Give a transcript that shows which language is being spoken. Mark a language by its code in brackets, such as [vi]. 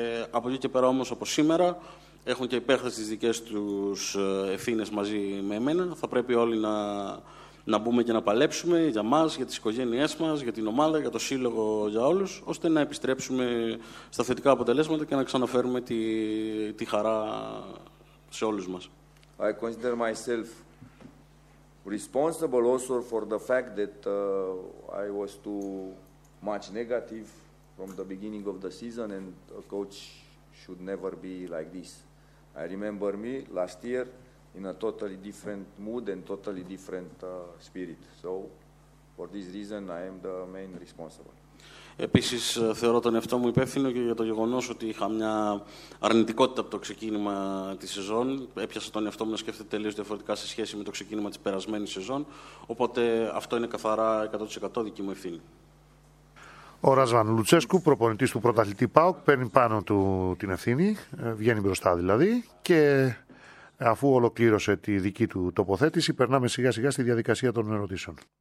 [el] Από εκεί και πέρα όμως από σήμερα έχουν και οι παίχτες τις δικές τους ευθύνες μαζί με εμένα. Θα πρέπει όλοι να μπούμε και να παλέψουμε για μας, για τις οικογένειές μας, για την ομάδα, για το σύλλογο, για όλους, ώστε να επιστρέψουμε στα θετικά αποτελέσματα και να ξαναφέρουμε τη χαρά σε όλους μας. [en] I consider myself responsible also for the fact that I was too much negative from the beginning of the season and a coach should never be like this. I remember me last year in a totally different mood and totally different spirit. So, for this reason, I am the main responsible. [el] Επίσης, θεωρώ τον εαυτό μου υπεύθυνο και για το γεγονός ότι είχα μια αρνητικότητα από το ξεκίνημα της σεζόν. Έπιασα τον εαυτό μου να σκέφτεται τελείως διαφορετικά σε σχέση με το ξεκίνημα της περασμένης σεζόν. Οπότε, αυτό είναι καθαρά 100% δική μου ευθύνη. Ο Ραζβάν Λουτσέσκου, προπονητής του πρωταθλητή ΠΑΟΚ, παίρνει πάνω του την ευθύνη, βγαίνει μπροστά δηλαδή, και αφού ολοκλήρωσε τη δική του τοποθέτηση, περνάμε σιγά σιγά στη διαδικασία των ερωτήσεων.